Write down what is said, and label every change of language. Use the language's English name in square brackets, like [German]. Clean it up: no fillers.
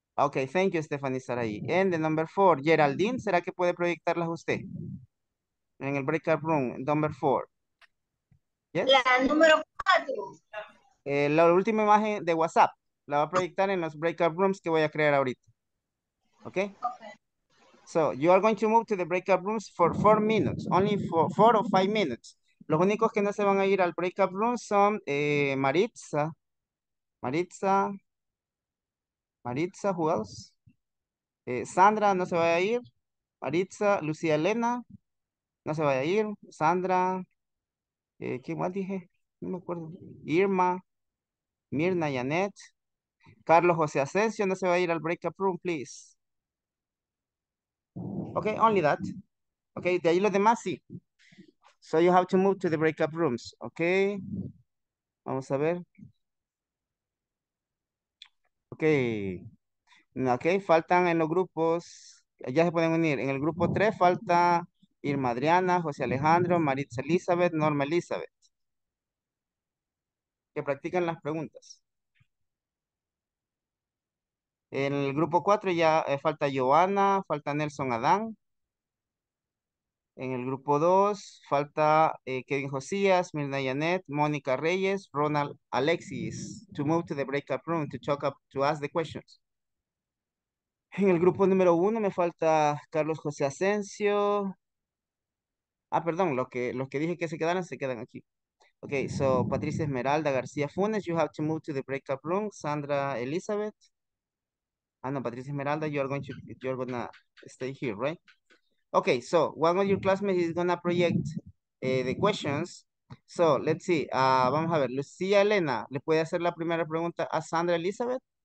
[English] Okay, thank you, Stephanie Saray. And the number four, Geraldine. [Spanish] ¿Será que puede proyectarlas usted? En el breakout room, [English] number four. [Spanish] Yes? La número cuatro. La última imagen de WhatsApp. La va a proyectar en los breakout rooms que voy a crear ahorita. [English] Okay. Okay. So you are going to move to the breakout rooms for 4 minutes, only for 4 or 5 minutes. [Spanish] Los únicos que no se van a ir al breakout room son Maritza. Maritza. Maritza, [English] who else? [Spanish] Sandra no se vaya a ir. Maritza, Lucía Elena no se vaya a ir. Sandra. ¿Qué más dije? No me acuerdo. Irma. Mirna, Janet. Carlos José Asensio, no se va a ir al breakup room, please. [English] Okay, only that. [Spanish] Okay, de ahí los demás sí. [English] So you have to move to the breakup rooms, okay? [Spanish] Vamos a ver. Okay, faltan en los grupos, ya se pueden unir. En el grupo 3 falta Irma Adriana, José Alejandro, Maritza Elizabeth, Norma Elizabeth. Que practiquen las preguntas. En el grupo 4 ya falta Joana, falta Nelson Adán. En el grupo 2 falta Kevin Josías, Mirna Janet, Mónica Reyes, Ronald Alexis. [English] To move to the breakout room to talk up, to ask the questions. [Spanish] En el grupo número 1 me falta Carlos José Asensio. Ah, perdón, los que dije que se quedaran, se quedan aquí. [English] Okay, so Patricia Esmeralda García Funes, you have to move to the breakout room. Sandra Elizabeth. Ah, no, Patricia Esmeralda, you're gonna stay here, right? Okay, so one of your classmates is gonna project the questions. So let's see. [Spanish] Vamos a ver, Lucía Elena, ¿le puede hacer la primera pregunta a Sandra Elizabeth?